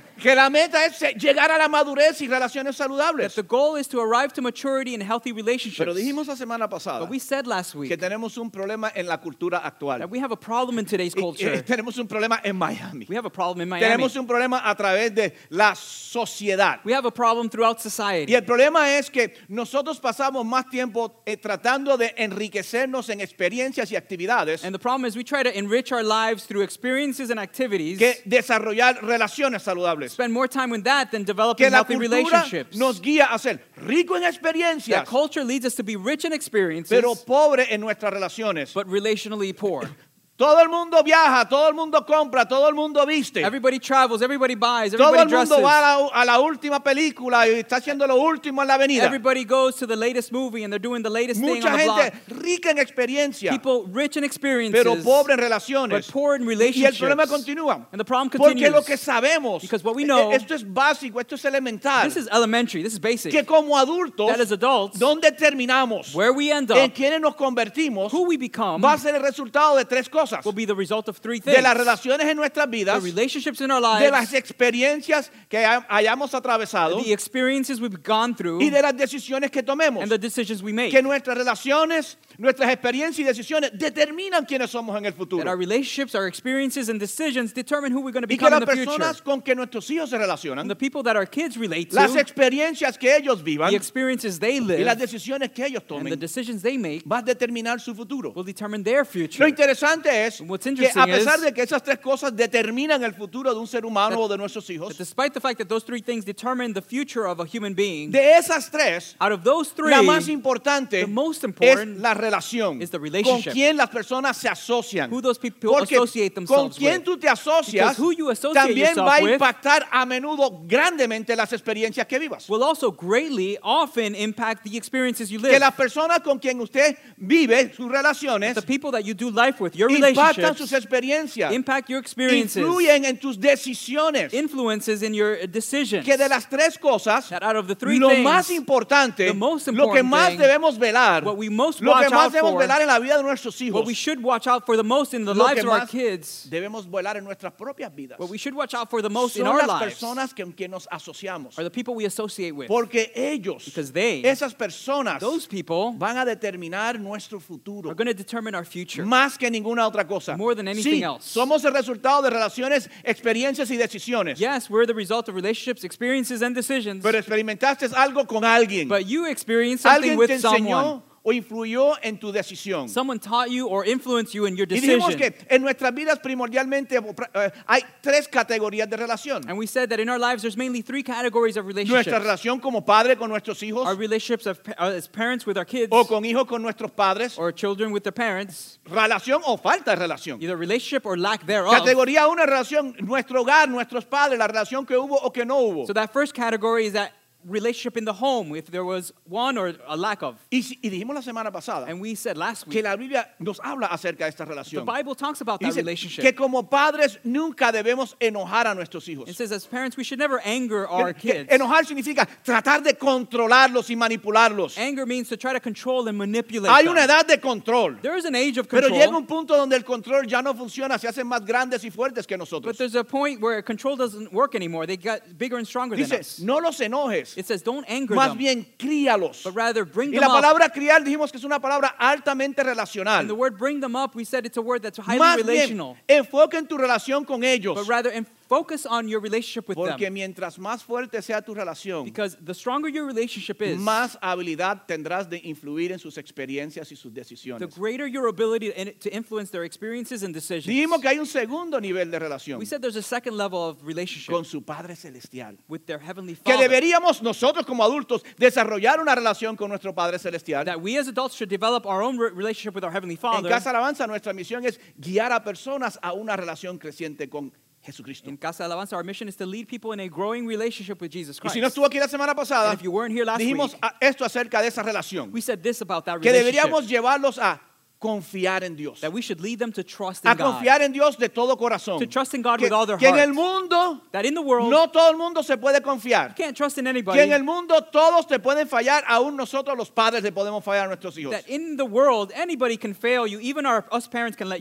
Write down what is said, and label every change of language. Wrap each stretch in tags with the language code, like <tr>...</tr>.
<es>Que la meta es llegar a la madurez y relaciones saludables.</es> <en>That the goal is to arrive to maturity and healthy relationships.</en> <es>Pero dijimos la semana pasada.</es> <en>But we said last week.</en> <es>Que tenemos un problema en la cultura actual.</es> <en>That we have a problem in today's culture.</en> <es>Tenemos un problema en Miami.</es> <en>We have a problem in Miami.</en> <es>Tenemos un problema a través de la sociedad.</es> <en>We have a problem throughout society.</en> <es>Y el problema es que nosotros pasamos más tiempo tratando de enriquecernos en experiencias y actividades.</es> <en>And the problem is we try to enrich our lives through experiences and activities.</en> <es>Que desarrollar relaciones saludables.</es> <en>Spend more time with that than developing healthy relationships.</en> <es>Nos guía a ser rico en experiencias.</es> <en>That culture leads us to be rich in experiences,</en> <es>pero pobre en nuestras relaciones.</es> <en>But relationally poor.</en> <es>Todo el mundo viaja, todo el mundo compra, todo el mundo viste.</es> <en>Everybody travels, everybody buys, everybody dresses.</en> <es>Todo el mundo dresses. Va a la última película y está haciendo lo último en la avenida.</es> <en>Everybody goes to the latest movie and they're doing the latest</en> <es>Mucha</es> <en>thing on</en> <es>gente</es> <en>the block.</en> <es>Rica en experiencia.</es> <en>People rich in experiences.</en> <es>Pero pobre en relaciones.</es> <en>But poor in relationships.</en> <es>Y el problema continúa.</es> <en>And the problem</en> <es>Porque</es> <en>continues.</en> <es>Lo que sabemos.</es> <en>Because what we know.</en> <es>Esto es básico, esto es elemental.</es> <en>This is elementary, this is basic.</en> <es>Que como adultos.</es> <en>That as adults.</en> <es>Donde terminamos.</es> <en>Where we end up.</en> <es>En quienes nos convertimos.</es> <en>Who we become.</en> <es>Va a ser el resultado de tres cosas.</es> <en>Will be the result of three things.</en> <es>De las relaciones en nuestras vidas,</es> <en>the relationships in our lives,</en> <es>de las experiencias que hayamos atravesado,</es> <en>the experiences we've gone through,</en> <es>y de las decisiones que tomemos,</es> <en>and the decisions we make.</en> <es>Que nuestras relaciones, nuestras experiencias y decisiones determinan quiénes somos en el futuro.</es> <en>That our relationships, our experiences and decisions determine who we're going to become in the future.</en> <es>Y que las personas con que nuestros hijos se relacionan,</es> <en>the people that our kids relate to,</en> <es>las experiencias que ellos vivan,</es> <en>the experiences they live,</en> <es>y las decisiones que ellos tomen,</es> <en>and the decisions they make,</en> <es>va a determinar su futuro.</es> <en>Will determine their future.</en> <es>Lo interesante es</es> <en>what's interesting</en> <es>que a pesar de que esas tres cosas determinan el futuro de un ser humano o de nuestros hijos,</es> <en>that despite the fact that those three things determine the future of a human being,</en> <es>de esas tres,</es> <en>out of those three,</en> <es>la más importante,</es> <en>the most important,</en> <es>es la relación,</es> <en>is the relationship,</en> <es>con quien las personas se asocian,</es> <en>who those people associate themselves with,</en> <es>con quien tú te asocias,</es> <en>who you associate</en> <es>también</es> <en>yourself</en> <es>va a impactar</es> <en>with,</en> <es>a menudo grandemente las experiencias que vivas,</es> <en>will also greatly often impact the experiences you live,</en> <es>que las personas con quien usted vive sus relaciones,</es> <en>the people that you do life with, your</en> <es>impactan sus experiencias,</es> <en>impact your experiences,</en> <es>influyen en tus decisiones,</es> <en>influences in your decisions,</en> <es>que de las tres cosas,</es> <en>that out of the three</en> <es>lo</es> <en>things,</en> <es>más importante,</es> <en>the most important</en> <es>lo que más debemos velar,</es> <en>what we most</en> <es>lo</es> <en>watch</en> <es>que más</es> <en>out</en> <es>debemos</es> <en>for,</en> <es>velar en la vida de nuestros hijos,</es> <en>what we should watch out for the most in the lives of our kids,</en> <es>debemos velar en nuestras propias vidas,</es> <en>what we should watch out for the most</en> <es>son</es> <en>in our</en> <es>las</es> <en>lives,</en> <es>personas con quien nos asociamos,</es> <en>are the people we associate with,</en> <es>porque ellos,</es> <en>because they,</en> <es>esas personas,</es> <en>those people,</en> <es>van a determinar nuestro futuro,</es> <en>are going to determine our future,</en> <es>más que ninguna otra cosa.</es> <en>More than anything else.</en> <es>Somos el resultado de relaciones, experiencias y decisiones.</es> <en>Yes, we're the result of relationships, experiences and decisions.</en> <es>Pero experimentaste algo con alguien.</es> <en>But you experienced something</en> <es>alguien</es> <en>te with someone.</en> <es>Enseñó o influyó en tu decisión.</es> <en>Someone taught you or influenced you in your decision.</en> <es>Y dijimos que en nuestras vidas primordialmente hay tres categorías de relación.</es> <en>And we said that in our lives there's mainly three categories of relationships.</en> <es>Nuestra relación como padre con nuestros hijos.</es> <en>Our relationships as parents with our kids.</en> <es>O con hijos con nuestros padres.</es> <en>Or children with their parents.</en> <es>Relación o falta de relación.</es> <en>Either relationship or lack thereof.</en> <es>Categoría una, relación, nuestro hogar, nuestros padres, la relación que hubo o que no hubo.</es> <en>So that first category is that relationship in the home, if there was one or a lack of.</en> <es>Y dijimos la semana pasada,</es> <en>and we said last week</en> <es>que la Biblia nos habla acerca de esta relación.</es> <en>The Bible talks about that relationship.</en> <es>Que como padres nunca debemos enojar a nuestros hijos.</es> <en>It says as parents we should never anger our kids.</en> <es>Enojar significa tratar de controlarlos y manipularlos.</es> <en>Anger means to try to control and manipulate.</en> <es>Hay una edad de control.</es> <en>There is an age of control.</en> <es>Pero llega un punto donde el control ya no funciona, se hacen más grandes y fuertes que nosotros.</es> <en>But there's a point where control doesn't work anymore. They get bigger and stronger</en> <es>Dice,</es> <en>than us.</en> <es>No los enojes.</es> <en>It says, don't anger</en> <es>Más</es> <en>them.</en> <es>Bien, críalos.</es> <en>But rather, bring them up.</en> <es>Y la palabra</es> <en>up.</en> <es>Criar, dijimos que es una palabra altamente relacional.</es> <en>And the word bring them up, we said it's a word that's highly</en> <es>Más</es> <en>relational.</en> <es>Bien, enfoca en tu relación con ellos.</es> <en>But rather, focus on your relationship with</en> <es>Porque</es> <en>them.</en> <es>Mientras más fuerte sea tu relación,</es> <en>because the stronger your relationship is,</en> <es>más habilidad tendrás de influir en sus experiencias y sus decisiones.</es> <en>The greater your ability to influence their experiences and decisions.</en> <es>Dijimos que hay un segundo nivel de relación.</es> <en>We said there's a second level of relationship.</en> <es>Con su Padre Celestial.</es> <en>With their Heavenly Father.</en> <es>Que deberíamos nosotros como adultos desarrollar una relación con nuestro Padre Celestial.</es> <en>That we as adults should develop our own relationship with our Heavenly Father.</en> <es>En Casa Alabanza nuestra misión es guiar a personas a una relación creciente con Jesucristo.</es> <en>In Casa Alabanza, our mission is to lead people in a growing relationship with Jesus Christ.</en> <es>Y si no estuvo aquí la semana pasada,</es> <en>and if you weren't here last</en> <es>dijimos</es> <en>week,</en> <es>esto acerca de esa relación,</es> <en>we said this about that</en> <es>que</es> <en>relationship.</en> <es>Deberíamos llevarlos a confiar en Dios.</es> <en>That we should lead them to trust in</en> <es>a</es> <en>God.</en> <es>A confiar en Dios de todo corazón.</es> <en>To trust in God with all their</en> <es>que</es> <en>heart.</en> <es>Que en el mundo,</es> <en>that in the world,</en> <es>no todo el mundo se puede confiar.</es> <en>You can't trust in anybody.</en> <es>Que en el mundo todos te pueden fallar, aún nosotros los padres le podemos fallar a nuestros hijos.</es> <en>That in the world, anybody can fail you, even us parents can let</en>